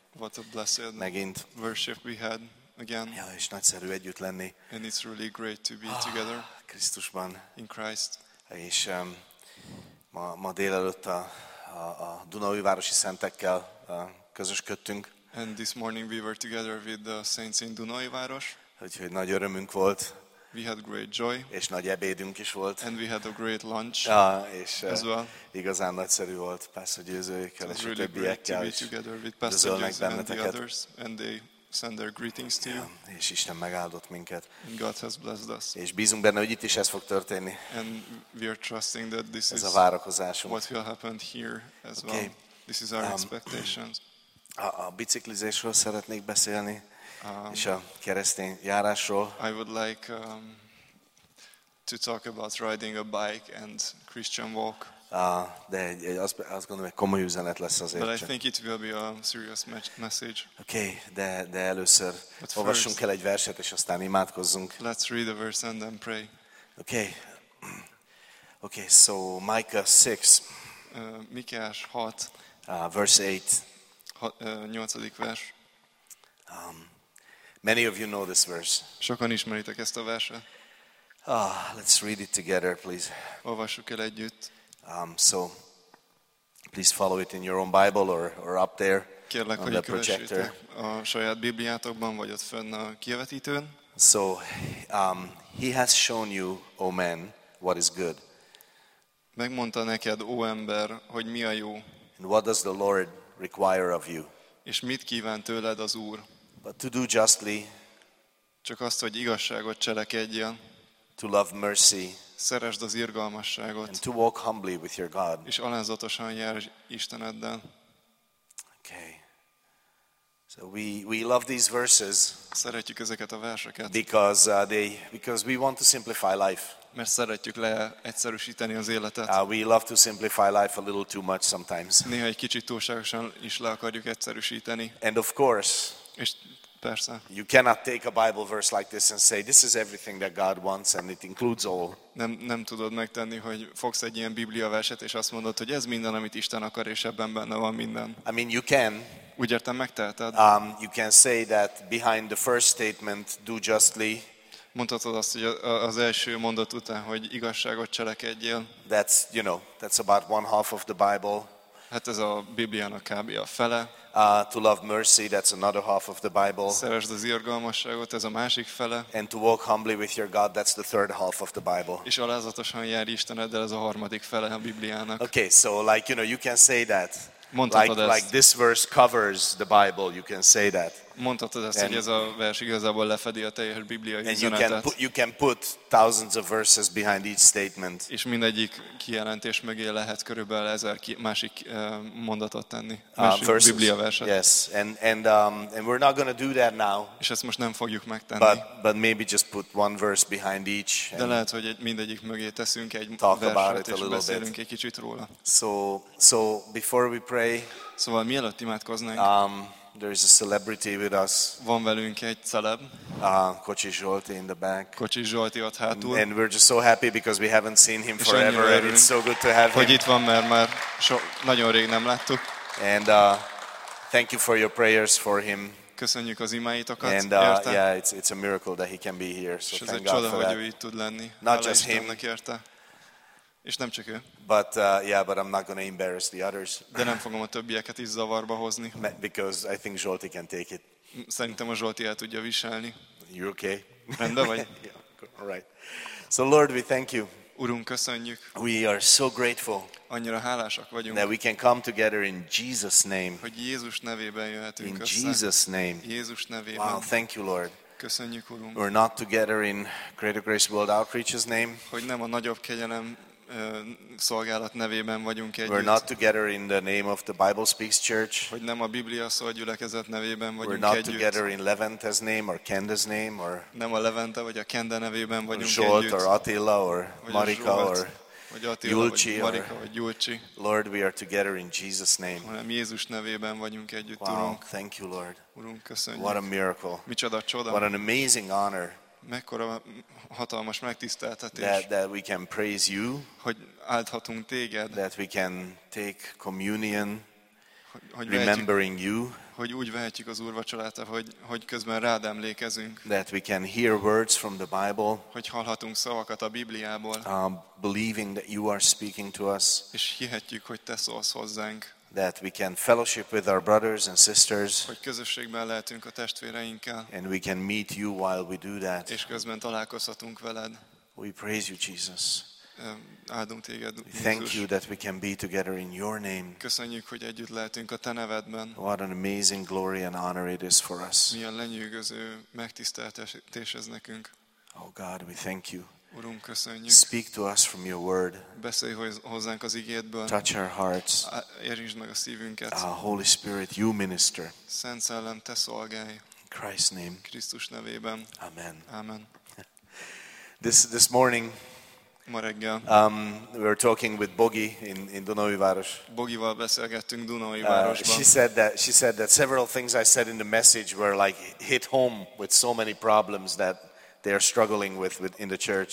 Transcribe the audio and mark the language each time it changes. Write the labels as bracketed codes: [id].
[en] What a blessed [hu] megint. [en] Worship we had again. [hu] Ja, és nagyszerű együtt lenni. [en] And it's really great to be together. [hu] Krisztusban. [en] In Christ. [hu] És ma délelőtt a Dunaújvárosi Szentekkel közösködtünk. [en] And this morning we were together with the saints in Dunaújváros. [hu] Úgyhogy nagy örömünk volt. [en] We had great joy. [hu] És nagy ebédünk is volt. [en] And we had a great lunch. [hu] És igazán nagyszerű volt Pásztor Győzőjékkel és [en] really [hu] a többiekkel is. Üdvözölnek benneteket. [en] And they send their greetings to you. [hu] És Isten megáldott minket. [en] And God has blessed us. [hu] És bízunk benne, hogy itt is ez fog történni. [en] And we are trusting that this [hu] ez a várakozásunk. [en] What will happen here as well. This is our expectations. [hu] A biciklizésről szeretnék beszélni. És a keresztény járásról. [en] I would like to talk about riding a bike and Christian walk. [hu] De azt gondolom, hogy komoly üzenet lesz azért. [en] But I think it will be a serious message. [hu] Okay, de először [en] But [hu] olvassunk [en] first, [hu] el egy verset, és aztán imádkozzunk. [en] Let's read a verse and then pray. Okay, so Micah 6. [hu] Mikás 6. [en] Verse 8. [hu] 8. vers. [en] Many of you know this verse. [hu] Sokan ismeritek ezt a verset. [en] Let's read it together, please. [hu] Olvassuk el együtt. [en] So please follow it in your own Bible or up there. [hu] Kérlek, hogy kövessétek a saját Bibliátokban vagy ott fönn a kievetítőn. [en] So he has shown you, O man, what is good. [hu] Megmondta neked, ó ember, hogy mi a jó. [en] And what does the Lord require of you? [hu] És mit kíván tőled az Úr? [en] But to do justly, [hu] csak azt, hogy igazságot cselekedjen, [en] to love mercy, [hu] szeresd az irgalmasságot, [en] and to walk humbly with your God, [hu] és alázatosan járj Isteneddel. [en] Okay. So we love these verses, [hu] szeretjük ezeket a verseket, [en] because we want to simplify life. [hu] Mert szeretjük leegyszerűsíteni az életet. [en] We love to simplify life a little too much sometimes. [hu] Néha egy kicsit túlságosan is le akarjuk egyszerűsíteni. [en] And of course, [hu] és persze. [en] You cannot take a Bible verse like this and say this is everything that God wants and it includes all. [hu] Nem tudod megtenni, hogy fogsz egy ilyen Biblia verset és azt mondod, hogy ez minden, amit Isten akar, és ebben benne van minden. [en] I mean you can. [hu] Úgy értem, megteheted. [en] You can say that behind the first statement, do justly. [hu] Mondhatod azt, hogy az első mondat után, hogy igazságot cselekedjél. [en] That's, you know, that's about one half of the Bible. [hu] Hát ez a Bibliának kb. A fele. [en] To love mercy, that's another half of the Bible. [hu] Szeresd az irgalmasságot, ez a másik fele. [en] And to walk humbly with your God, that's the third half of the Bible. [hu] És alázatosan járj Isteneddel, ez a harmadik fele a Bibliának. [en] Okay, so like, you know, you can say that. [hu] Mondhatod [en] like, [hu] ezt. [en] Like this verse covers the Bible, you can say that. [hu] Mondhatod ezt, hogy ez a vers igazából lefedi a teljes Bibliai üzenetet. [en] And you can put thousands of verses behind each statement. [hu] És mindegyik kijelentés mögé lehet körülbelül 1000 másik mondatot tenni. Másik Biblia verset. [en] Yes, and we're not going to do that now. [hu] És ezt most nem fogjuk megtenni. [en] But maybe just put one verse behind each. [hu] De lehet, hogy mindegyik mögé teszünk egy verset, és beszélünk egy kicsit róla. [en] So before we pray. [hu] Szóval mielőtt imádkoznánk. [en] There is a celebrity with us. [hu] Van velünk egy celeb. [en] Kocsis Zsolti in the back. [hu] Kocsis Zsolti ott hátul. [en] And we're just so happy because we haven't seen him forever. And it's so good to have him. [hu] Hogy itt van, mert már nagyon rég nem láttuk. [en] And thank you for your prayers for him. [hu] Köszönjük az imáitokat. [en] And yeah, it's a miracle that he can be here. So [hu] ez egy csoda, hogy ő itt tud lenni. [en] Not just him. [hu] Érte. És nem csak ő. [en] But yeah, but I'm not going to embarrass the others. [hu] De nem fogom a többieket is zavarba hozni. [en] Because I think Zsolti can take it. [hu] Szerintem a Zsolti el tudja viselni. [en] You okay? [hu] Rendben vagy? [en] Yeah, right. So Lord, we thank you. [hu] Urunk, köszönjük. [en] We are so grateful. [hu] Annyira hálásak vagyunk. [en] That we can come together in Jesus' name. [hu] Hogy Jézus nevében jöhetünk [en] in [hu] össze. [en] In Jesus' name. [hu] Jézus nevében. [en] Wow, thank you, Lord. [hu] Köszönjük, Urunk. [en] We're not together in Greater Grace World Outreach's name. [hu] Hogy nem a nagyobb kegyelem szolgálat nevében vagyunk együtt. [en] We're not together in the name of the Bible Speaks Church. [hu] Hogy nem a Biblia szól gyülekezet nevében vagyunk együtt. [en] We're not together in Levente's name or Kenda's name or [hu] nem a Levente vagy a Kenda nevében vagyunk Zsolt együtt. [en] Or Attila or Marika or [hu] Julcsi or Marika vagy Julcsi. [en] Lord, we are together in Jesus' name. [hu] Hanem Jézus nevében vagyunk együtt, [en] wow, [hu] Urunk. [en] Thank you, Lord. [hu] Urunk, köszönjük. [en] What a miracle. [hu] Micsoda csoda. [en] What an amazing honor. [hu] Mekkora hatalmas megtiszteltetés. [en] That we can praise you. [hu] Hogy áldhatunk téged. [en] That we can take communion, [hu] hogy [en] remembering you. [hu] Hogy úgy vehetjük az úrvacsorát, hogy közben rád emlékezünk. [en] That we can hear words from the Bible. [hu] Hogy hallhatunk szavakat a Bibliából. [en] Believing that you are speaking to us. [hu] És hihetjük, hogy te szólsz hozzánk. [en] That we can fellowship with our brothers and sisters. [hu] Hogy közösségben lehetünk a testvéreinkkel. [en] And we can meet you while we do that. [hu] És közben találkozhatunk veled. [en] We praise you, Jesus. [hu] Áldunk téged, Jézus. [en] Thank you that we can be together in your name. [hu] Köszönjük, hogy együtt lehetünk a te nevedben. [en] What an amazing glory and honor it is for us. [hu] Milyen lenyűgöző megtiszteltetés ez nekünk. [en] Oh God, we thank you. [hu] Urunk, köszönjük. [en] Speak to us from your word. [hu] Beszélj hozzánk az igédből. [en] Touch our hearts. [hu] Érintsd meg a szívünket. [en] Holy Spirit, you minister. [hu] Szent Szellem, te szolgálj. [en] Christ's name. [hu] Krisztus nevében. [en] Amen. [hu] Amen. [en] This morning, we were talking with Bogi in Dunaújváros. [hu] Bogival beszélgettünk Dunaújvárosban. [en] She said that several things I said in the message were like hit home with so many problems that they are struggling with in the church.